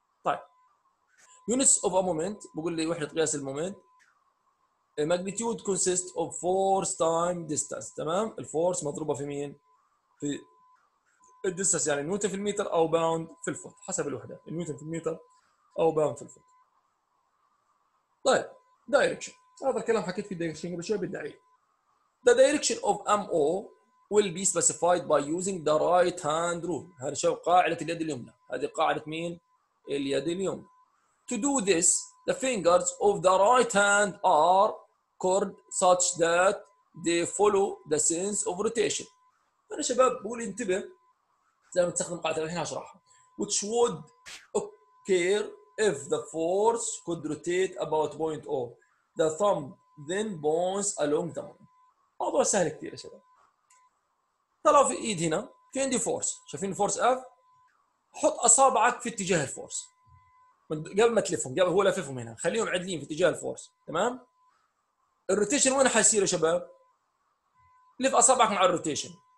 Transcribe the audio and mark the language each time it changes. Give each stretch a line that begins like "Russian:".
Arabic: طيب يونتس اوف ا مومنت، بقول لي وحده قياس المومنت، ماجنيتيود كونسيست اوف فورس تايم ديستانس، تمام الفورس مضروبه في مين، في الديستانس يعني نيوتن في المتر او باوند في الفوت حسب الوحده، نيوتن في المتر او باوند في الفوت. طيب دايركشن، هذا الكلام حكيت في الدايركشن قبل شوي بالدعي.
English: The direction of MO will be specified by using the right hand rule.
Arabic: هذا شو قاعدة اليد اليمنى. هذه قاعدة مين؟ اليد اليمنى.
English: To do this, the fingers of the right hand are curved such that they follow the sense of rotation.
Arabic: أنا شباب بقول انتبه زي ما تستخدم قاعدة الحين هشرحها.
English: Which would occur if the force could rotate about point O. The thumb then bones along the arm.
Arabic: موضوع سهل كثير يا شباب. طلعوا في ايد هنا، في عندي فورس، شايفين فورس اف؟ حط اصابعك في اتجاه الفورس. قبل ما تلفهم، قبل هو لففهم هنا، خليهم عدلين في اتجاه الفورس، تمام؟ الروتيشن وين حيصير يا شباب؟ لف اصابعك مع الروتيشن.